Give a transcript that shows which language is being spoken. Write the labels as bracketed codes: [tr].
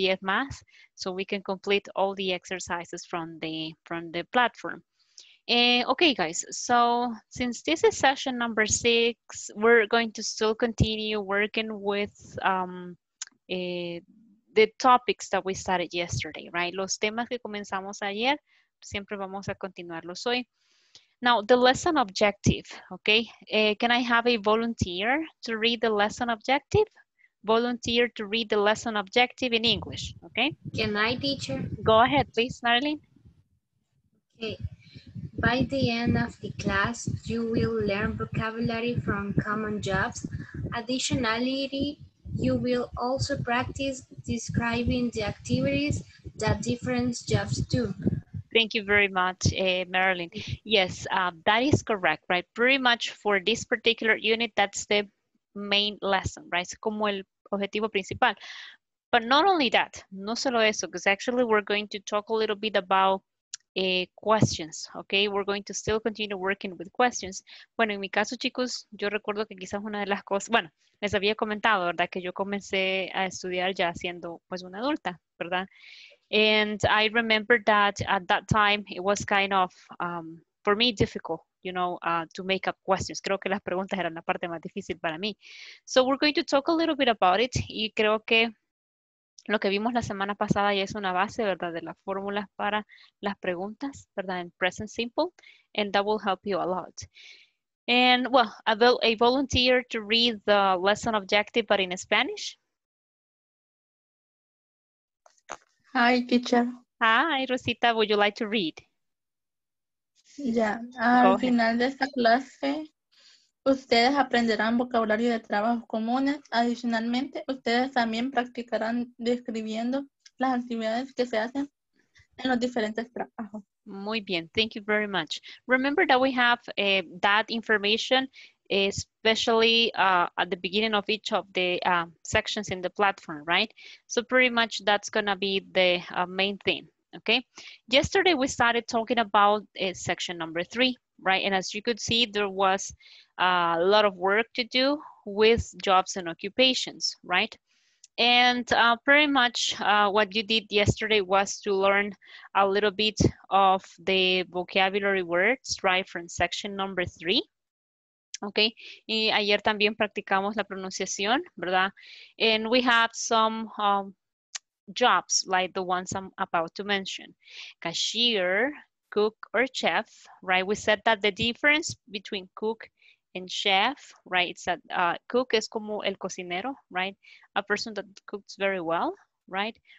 [es] 10 más, [en] so we can complete all the exercises from the platform. Okay, guys, so since this is session number six, we're going to still continue working with the topics that we started yesterday, right? [es] Los temas que comenzamos ayer, siempre vamos a continuarlos hoy. [en] Now, the lesson objective, okay? Can I have a volunteer to read the lesson objective? Volunteer to read the lesson objective in English, okay? Can I, teacher? Go ahead, please, Marlene. Okay. By the end of the class, you will learn vocabulary from common jobs. Additionally, you will also practice describing the activities that different jobs do. Thank you very much, Marilyn. Yes, that is correct, right? Pretty much for this particular unit, that's the main lesson, right? [es] Es como el objetivo principal. [en] But not only that, [es] no solo eso, [en] because actually we're going to talk a little bit about questions, okay? We're going to still continue working with questions. [es] Bueno, en mi caso, chicos, yo recuerdo que quizás una de las cosas, bueno, les había comentado, ¿verdad? Que yo comencé a estudiar ya siendo, pues, una adulta, ¿verdad? [en] And I remember that at that time, it was kind of, for me, difficult, you know, to make up questions. [es] Creo que las preguntas eran la parte más difícil para mí. [en] So we're going to talk a little bit about it. [es] Y creo que lo que vimos la semana pasada ya es una base, ¿verdad? De las fórmulas para las preguntas, ¿verdad? En present simple. [en] And that will help you a lot. And, well, a volunteer to read the lesson objective, but in Spanish. Hi, teacher. Hi, Rosita, would you like to read? [es] Yeah, al final de esta clase, ustedes aprenderán vocabulario de trabajos comunes. Adicionalmente, ustedes también practicarán describiendo las actividades que se hacen en los diferentes trabajos. Muy bien, [en] thank you very much. Remember that we have that information, especially at the beginning of each of the sections in the platform, right? So pretty much that's gonna be the main thing, okay? Yesterday we started talking about section number three, right? And as you could see, there was a lot of work to do with jobs and occupations, right? And pretty much what you did yesterday was to learn a little bit of the vocabulary words, right, from section number three. [es] Okay, y ayer también practicamos la pronunciación, ¿verdad? [en] And we have some jobs, like the ones I'm about to mention. Cashier, cook, or chef, right? We said that the difference between cook and chef, right? It's that cook is [es] como el cocinero, [en] right? A person that cooks very well, right?